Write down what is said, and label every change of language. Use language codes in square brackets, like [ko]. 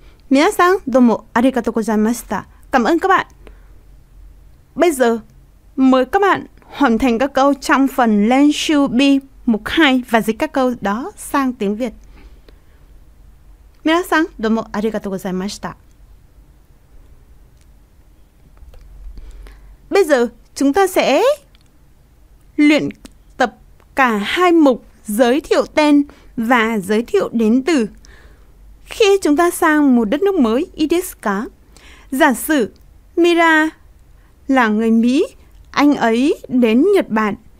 [ja] 皆さん、どうもありがとうございました。 [vi] Cảm ơn các bạn. Bây giờ, mời các bạn hoàn thành các câu trong phần Lenshubi mục 2 và dịch các câu đó sang tiếng Việt. [ja] 皆さん、どうもありがとうございました。 [vi] Bây giờ, chúng ta sẽ luyện tập cả hai mục giới thiệu tên và giới thiệu đến từ. Khi chúng ta sang một đất nước mới, [ja] ii desu ka? [vi] Giả sử Mira là người Mỹ, anh ấy đến Nhật Bản.